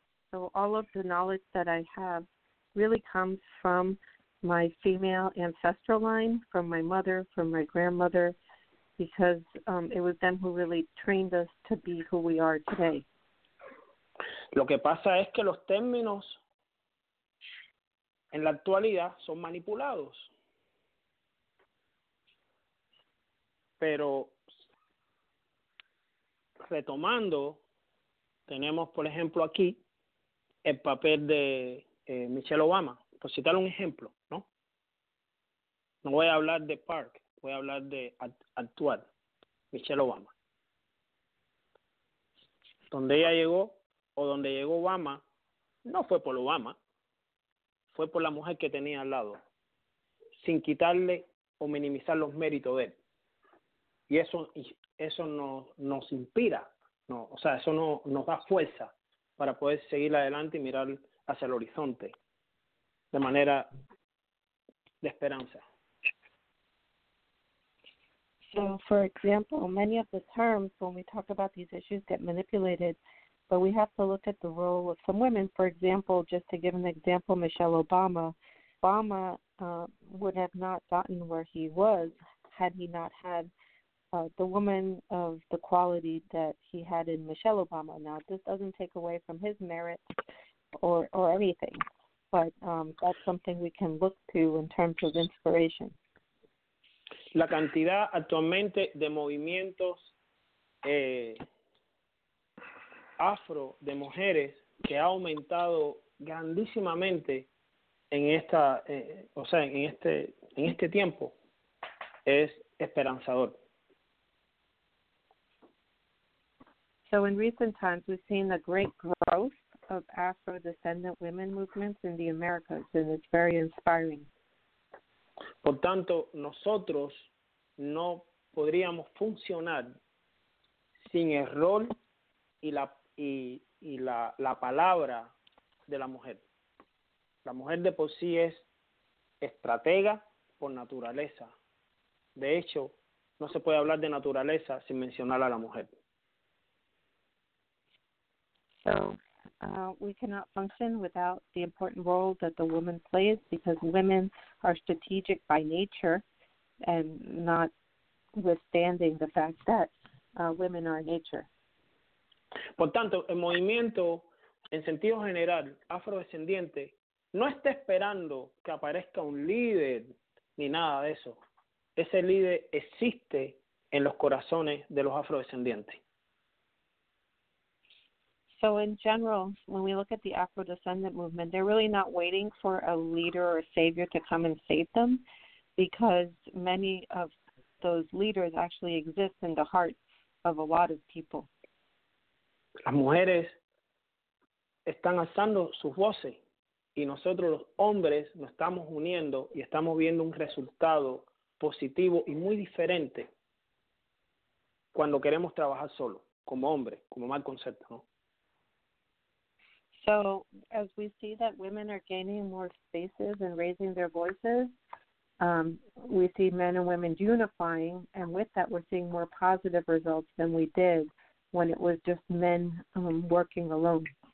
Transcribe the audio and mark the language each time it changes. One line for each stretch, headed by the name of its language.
English: So all of the knowledge that I have really comes from my female ancestral line, from my mother, from my grandmother, because it was them who really trained us to be who we are today.
Spanish: Lo que pasa es que los términos en la actualidad son manipulados. Pero retomando, tenemos por ejemplo aquí el papel de Michelle Obama, por citar un ejemplo, ¿no? No voy a hablar de Park, voy a hablar de actual, Michelle Obama. Donde ella llegó o donde llegó Obama, no fue por Obama, fue por la mujer que tenía al lado, sin quitarle o minimizar los méritos de él. Y eso nos inspira, ¿no? O sea, eso no, nos da fuerza para poder seguir adelante y mirar hacia el horizonte de manera de esperanza.
English: So, for example, many of the terms when we talk about these issues get manipulated, but we have to look at the role of some women. For example, just to give an example, Michelle Obama. Obama would have not gotten where he was had he not had the woman of the quality that he had in Michelle Obama. Now, this doesn't take away from his merit or anything, but that's something we can look to in terms of inspiration.
Spanish: La cantidad actualmente de movimientos afro de mujeres que ha aumentado grandísimamente en esta, o sea, en este tiempo es esperanzador.
English: So in recent times, we've seen a great growth of Afro-descendant women movements in the Americas, and it's very inspiring.
Spanish: Por tanto, nosotros no podríamos funcionar sin el rol y la palabra de la mujer. La mujer de por sí es estratega por naturaleza. De hecho, no se puede hablar de naturaleza sin mencionar a la mujer.
English: So we cannot function without the important role that the woman plays, because women are strategic by nature, and notwithstanding the fact that women are nature.
Spanish: Por tanto, el movimiento, en sentido general, afrodescendiente, no está esperando que aparezca un líder ni nada de eso. Ese líder existe en los corazones de los afrodescendientes.
English: So in general, when we look at the Afro-descendant movement, they're really not waiting for a leader or a savior to come and save them, because many of those leaders actually exist in the hearts of a lot of people.
Spanish: Las mujeres están alzando sus voces y nosotros los hombres nos estamos uniendo y estamos viendo un resultado positivo y muy diferente cuando queremos trabajar solo, como hombre, como mal concepto, ¿no?
English: So as we see that women are gaining more spaces and raising their voices, we see men and women unifying, and with that we're seeing more positive results than we did when it was just men working alone.